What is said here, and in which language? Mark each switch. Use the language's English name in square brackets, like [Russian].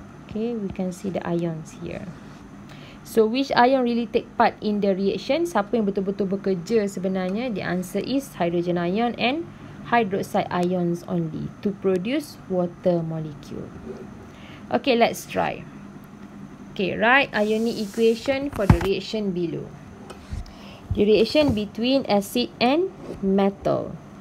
[English] Okay, we can see the ions here. So, which ion really take part in the reaction? [Malay] Siapa yang betul-betul bekerja sebenarnya? [English] The answer is hydrogen ion and hydroxide ions only to produce water molecule. Okay, let's try. Okay, write ionic equation for the reaction below. The reaction between acid and metal.